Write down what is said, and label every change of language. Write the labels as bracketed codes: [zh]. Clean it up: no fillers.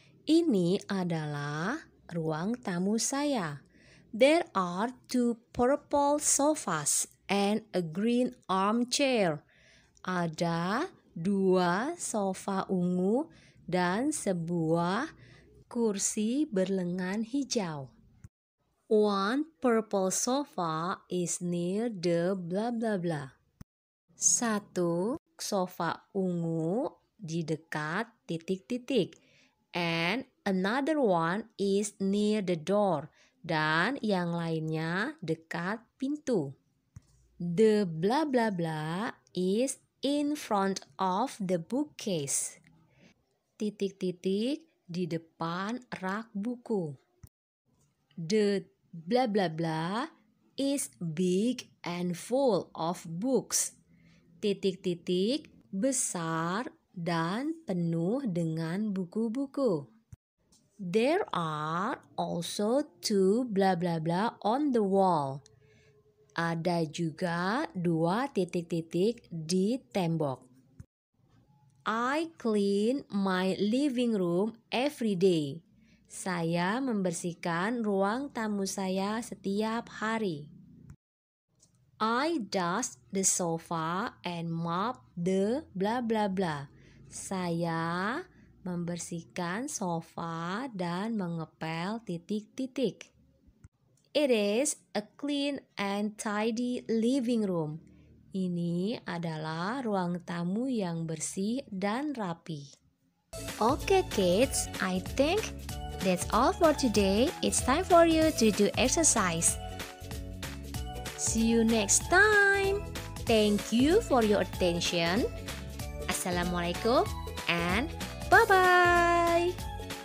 [id] Ini adalah ruang tamu saya. [en] There are two purple sofas and a green armchair. [id] Ada dua sofa ungu dan sebuah kursi berlengan hijau. [en] One purple sofa is near the blah blah blah. [id] Satu sofa ungu di dekat titik-titik. [en] And another one is near the door. [id] Dan yang lainnya dekat pintu. [en] The blah blah blah is in front of the bookcase. [id] Titik-titik di depan rak buku. [en] The blah blah blah is big and full of books. [id] Titik-titik besar dan penuh dengan buku-buku. [en] There are also two blah blah blah on the wall. [id] Ada juga dua titik-titik di tembok. [en] I clean my living room every day. [id] Saya membersihkan ruang tamu saya setiap hari. [en] I dust the sofa and mop the blah blah blah. [id] Saya membersihkan sofa dan mengepel titik-titik. [en] It is a clean and tidy living room. [id] Ini adalah ruang tamu yang bersih dan rapi. [en] Okay, kids, I think that's all for today. It's time for you to do exercise. See you next time. Thank you for your attention. Assalamualaikum and bye-bye.